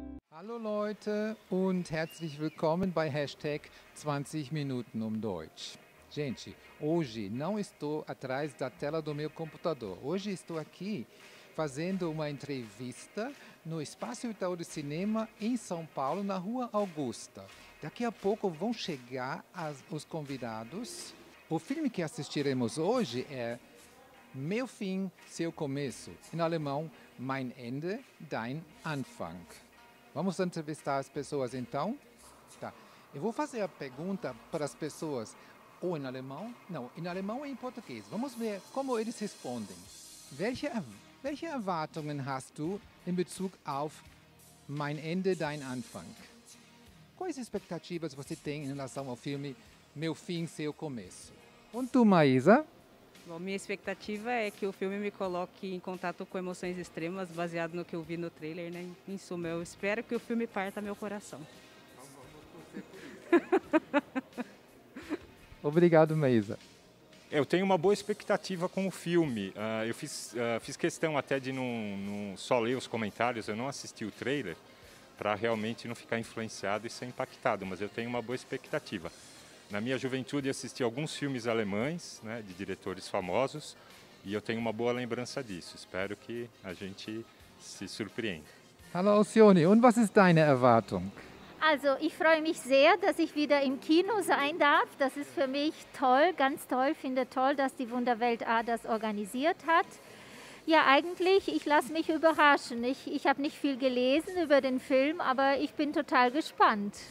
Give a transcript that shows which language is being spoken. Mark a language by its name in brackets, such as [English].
[German] Hallo Leute und herzlich willkommen bei Hashtag 20 Minuten Deutsch. [Portuguese] Gente, hoje não estou atrás da tela do meu computador. Hoje estou aqui fazendo uma entrevista no Espaço Itaú de Cinema em São Paulo, na Rua Augusta. Daqui a pouco vão chegar os convidados. O filme que assistiremos hoje é Meu Fim, Seu Começo. Em alemão, Mein Ende, Dein Anfang. Vamos entrevistar as pessoas então? Tá. Eu vou fazer a pergunta para as pessoas ou em alemão? Não, em alemão e em português. Vamos ver como eles respondem. [German] Welche Erwartungen hast du in Bezug auf Mein Ende, Dein Anfang? [Portuguese] Quais expectativas você tem em relação ao filme Meu Fim, Seu Começo? E tu, Maísa? Bom, minha expectativa é que o filme me coloque em contato com emoções extremas, baseado no que eu vi no trailer, né? Em suma, eu espero que o filme parta meu coração. Obrigado, Maísa. Eu tenho uma boa expectativa com o filme. Eu fiz questão até de não só ler os comentários, eu não assisti o trailer, para realmente não ficar influenciado e ser impactado, mas eu tenho uma boa expectativa. Na minha juventude, assisti alguns filmes alemães, né, de diretores famosos, e eu tenho uma boa lembrança disso. Espero que a gente se surpreenda. [German] Hallo, Alcione, und was ist deine Erwartung? Also, ich freue mich sehr, dass ich wieder im Kino sein darf. Das ist für mich toll, ganz toll. Finde toll, dass die Wunderwelt A das organisiert hat. Ja, eigentlich, ich lasse mich überraschen. Ich habe nicht viel gelesen über den Film, aber ich bin total gespannt.